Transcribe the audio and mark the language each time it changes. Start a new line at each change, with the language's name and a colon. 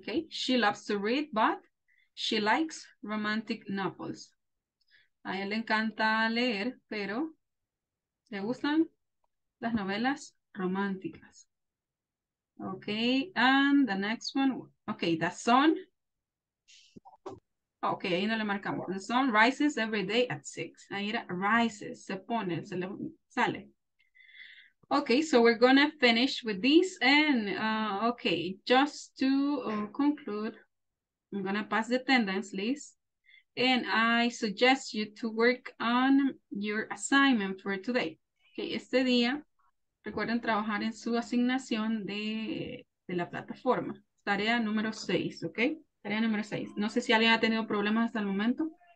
English: She loves to read, but she likes romantic novels.
Spanish: A ella le encanta leer, pero le gustan las novelas románticas.
English: Okay, and the next one. Okay, the sun. Okay,
Spanish: ahí no le marcamos.
English: The sun rises every day at 6.
Spanish: Ahí era rises, se pone, se le sale.
English: Okay, so we're gonna finish with this and okay, just to conclude, I'm gonna pass the attendance list and I suggest you to work on your assignment for today.
Spanish: Okay, este día, recuerden trabajar en su asignación de la plataforma. Tarea número 6, okay? Tarea número 6. No sé si alguien ha tenido problemas hasta el momento.